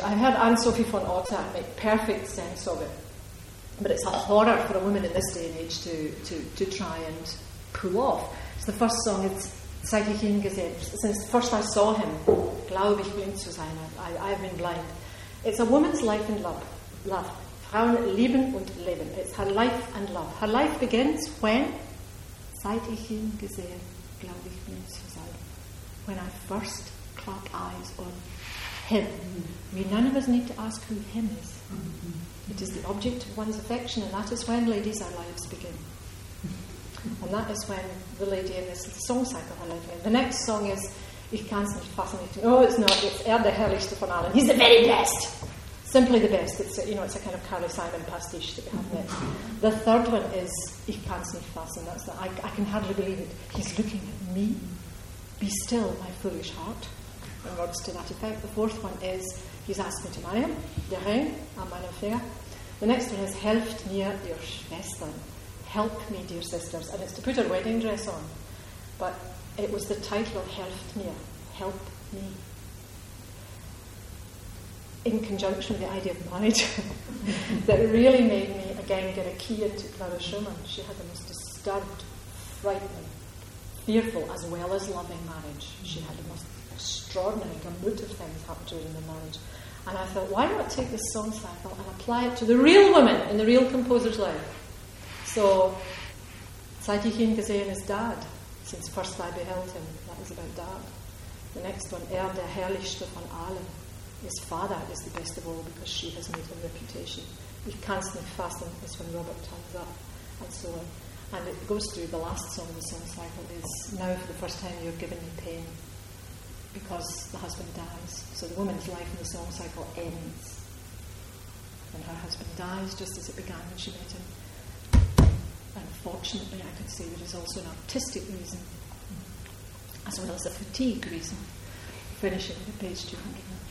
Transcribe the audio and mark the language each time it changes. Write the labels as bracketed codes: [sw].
[en] I've heard Anne-Sophie von Otter make perfect sense of it. But it's a horror for a woman in this day and age to try and pull off. It's the first song, it's [de] Zeichen gesehen. [en] Since first I saw him, [de] glaube ich blind zu sein, [en] I've been blind. It's a woman's life and love. Love. [de] Frauen lieben und leben. [en] It's her life and love. Her life begins when? [de] Seit ich ihn gesehen, glaube ich mir zu sein. [en] When I first clapped eyes on him. Mm-hmm. We none of us need to ask who him is. Mm-hmm. It is the object of one's affection, and that is when, ladies, our lives begin. And that is when the lady in this song cycle her life begins. The next song is [de] Ich kann's nicht fassen. [en] Oh, it's not. It's [de] der herrlichste von allen. [en] He's the very best! Simply the best. It's a, you know, it's a kind of Carly Simon pastiche that we have there. The third one is [de] Ich kann's nicht fassen. [en] That's the, I can hardly believe it. He's looking at me. Be still, my foolish heart. In words to that effect. The fourth one is He's asked me to marry him. [de] Der Ring an meiner Finger. [en] The next one is [de] Helft mir, ihr Schwestern. [en] Help me, dear sisters. And it's to put her wedding dress on. But it was the title of [de] Helft mir. [en] Help me. In conjunction with the idea of marriage, that really made me again get a key into Clara Schumann. She had the most disturbed, frightening, fearful, as well as loving marriage. She had the most extraordinary gamut of things happen to her in the marriage. And I thought, why not take this song cycle and apply it to the real woman in the real composer's life? So, [de] Seit ich ihn gesehen [en] is dad, since first I beheld him. That was about dad. The next one, [de] der herrlichste von allen. [en] His father is the best of all because she has made him a reputation. [de] Ich kann's nicht fassen [en] is when Robert turns up, and so on. And it goes through the last song of the song cycle is now for the first time you're giving me pain because the husband dies. So the woman's life in the song cycle ends when her husband dies, just as it began when she met him. Unfortunately, I could say there is also an artistic reason as well as a fatigue reason finishing at page 200.